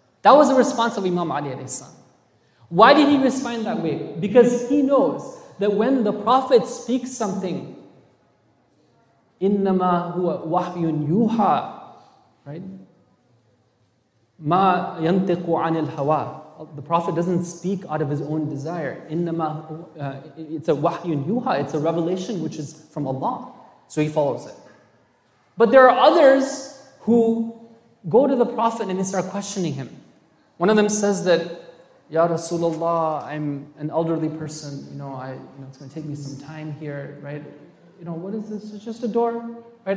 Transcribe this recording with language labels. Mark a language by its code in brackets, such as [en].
[en] That was the response of Imam Ali alayhi salam. Why did he respond that way? Because he knows that when the Prophet speaks something, [ar] إِنَّمَا هُوَ وَحْيٌ يُوحَى, [en] right? [ar] مَا يَنْتِقُ عَنِ الْهَوَى. [en] The Prophet doesn't speak out of his own desire. [ar] إِنَّمَا [en] it's a [ar] وَحْيٌ يُوحَى. [en] It's a revelation which is from Allah. So he follows it. But there are others who go to the Prophet and they start questioning him. One of them says that, Ya Rasulullah, I'm an elderly person, it's going to take me some time here, right? What is this? It's just a door. right?